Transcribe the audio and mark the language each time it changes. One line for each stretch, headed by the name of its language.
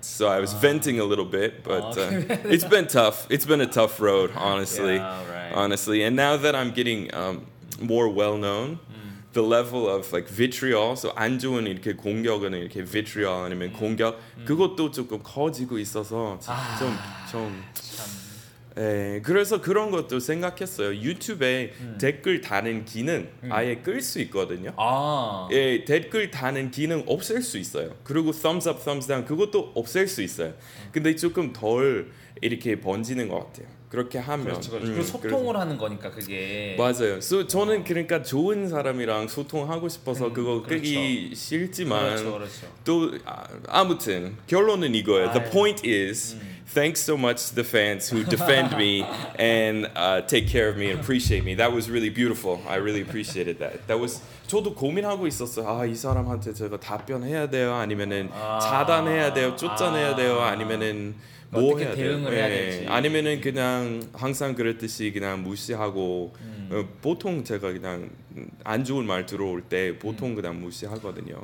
English: So I was venting a little bit, but it's been tough. It's been a tough road, honestly. Yeah, right. Honestly, and now that I'm getting more well known, the level of like vitriol.
Korean: So 안 좋은 이렇게 공격은 이렇게 vitriol 아니면 공격 그것도 조금 커지고 있어서 좀 에 네, 그래서 그런 것도 생각했어요. 유튜브에 댓글 다는 기능 아예 끌 수 있거든요. 아. 예, 댓글 다는 기능 없앨 수 있어요. 그리고 thumbs up, thumbs down 그것도 없앨 수 있어요. 근데 조금 덜 이렇게 번지는 것 같아요. 그렇게 하면 그렇죠, 그렇죠. 그리고 소통을 그래서. 하는 거니까 그게 맞아요. So 저는 그러니까 좋은 사람이랑 소통하고 싶어서 그거 끄기 그렇죠. 싫지만 그렇죠, 그렇죠. 또 아무튼 결론은 이거예요. 아유.
English: The point is. Thanks so much to the fans who defend me and take care of me and appreciate me. That was really beautiful. I really appreciated that. That was
Korean: 저도 고민하고 있었어요. 아, 이 사람한테 제가 답변해야 돼요? 아니면은 차단해야 돼요? 쫓아내야 돼요? 아니면은 뭐 어떻게 해야 대응을 돼요? 해야 될지 네. 아니면은 그냥 항상 그랬듯이 그냥 무시하고 보통 제가 그냥 안 좋은 말 들어올 때 보통 그냥 무시하거든요.